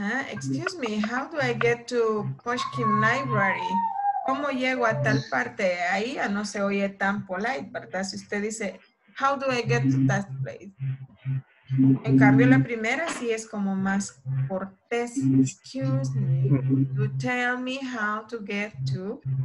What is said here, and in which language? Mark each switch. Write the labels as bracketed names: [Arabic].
[English] Excuse me, how do I get to Pushkin Library? [Spanish] ¿Cómo llego a tal parte? Ahí ya no se oye tan polite, ¿verdad? Si usted dice, [English] how do I get to that place? [Spanish] En cambio, la primera sí es como más cortés. [English] Excuse me, you tell me how to get to.